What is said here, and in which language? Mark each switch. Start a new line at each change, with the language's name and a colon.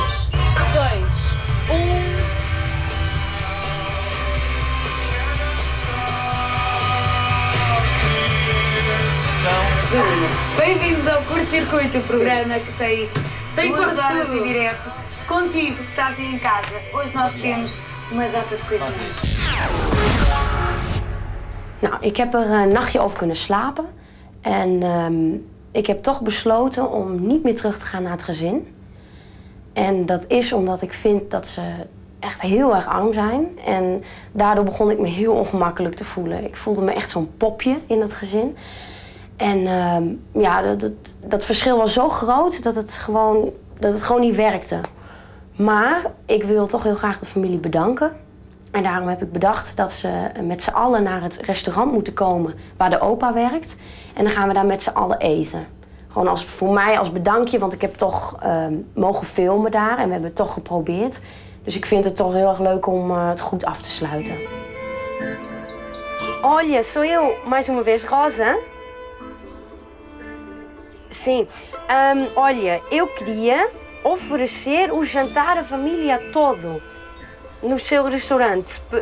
Portuguese: Bem-vindos ao Curto Circuito, o programa que tem duas horas de direto contigo, que estás aí em casa. Hoje nós temos uma data de coisinhas.
Dutch: Nou, ik heb er een nachtje over kunnen slapen. En ik heb toch besloten om niet meer terug te gaan naar het gezin. En dat is omdat ik vind dat ze echt heel erg arm zijn. En daardoor begon ik me heel ongemakkelijk te voelen. Ik voelde me echt zo'n popje in het gezin. En ja, dat verschil was zo groot dat het gewoon niet werkte. Maar ik wil toch heel graag de familie bedanken. En daarom heb ik bedacht dat ze met z'n allen naar het restaurant moeten komen waar de opa werkt. En dan gaan we daar met z'n allen eten. Gewoon als, voor mij als bedankje, want ik heb toch mogen filmen daar en we hebben het toch geprobeerd. Dus ik vind het toch heel erg leuk om het goed af te sluiten.
Portuguese: Olha, sou eu, mais uma vez, Rosa. Sim, olha, eu queria oferecer o jantar à família todo no seu restaurante.